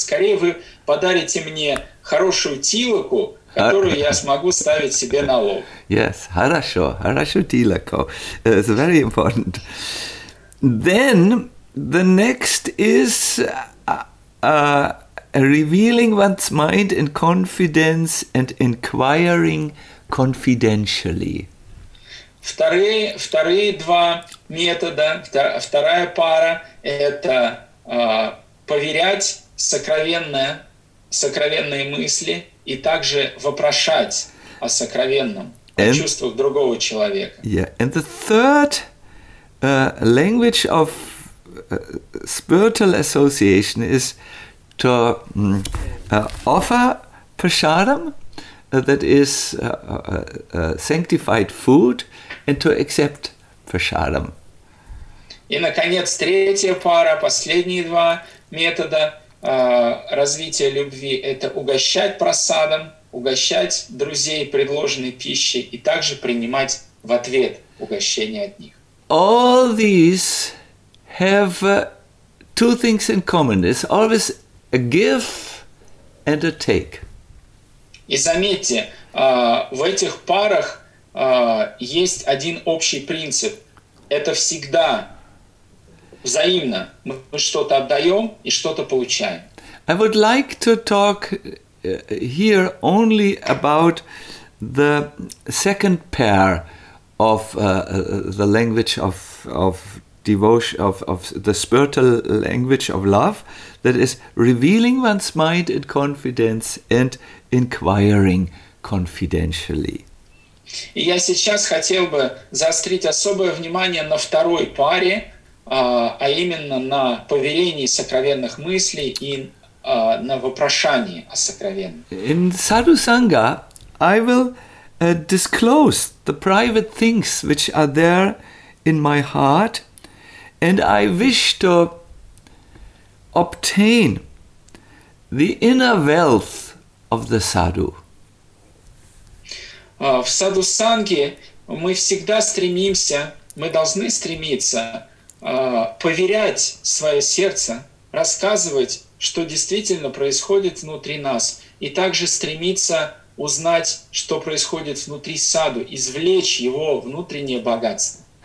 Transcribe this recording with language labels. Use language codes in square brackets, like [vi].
[ru] Скорее вы подарите мне хорошую тилаку, которую я смогу ставить себе на лоб. [en] Yes, [ru] хорошо, хорошо, тилако. [en] It's very important. Then the next is revealing one's mind in confidence and inquiring confidentially. [ru] Вторые два метода, вторая пара – это поверять сокровенные мысли и также вопрошать о сокровенном, о чувствах другого человека. [en] Yeah. And the third language of spiritual association is to offer prasadam, that is sanctified food, and to accept prasadam. [ru] И, наконец, третья пара, последние два метода развития любви – это угощать просадом, угощать друзей предложенной пищей и также принимать в ответ угощение от них. [en] All these have two things in common. It's always a give and a take. [ru] И заметьте, в этих парах есть один общий принцип. Это всегда взаимно. Мы что-то отдаем и что-то получаем. [en] I would like to talk here only about the second pair of the language of devotion, of the spiritual language of love, that is revealing one's mind in confidence and inquiring confidentially. [ru] И я сейчас хотел бы заострить особое внимание на второй паре, а именно на поверении сокровенных мыслей и на вопрошании о сокровенном. [en] In sadhu sangha, I will disclose the private things which are there in my heart, and I wish to obtain the inner wealth of the sadhu. [ru] В саду санги мы всегда стремимся, мы должны стремиться поверять свое сердце, рассказывать, что действительно происходит внутри нас, и также стремиться узнать, что происходит внутри саду, извлечь его внутреннее богатство.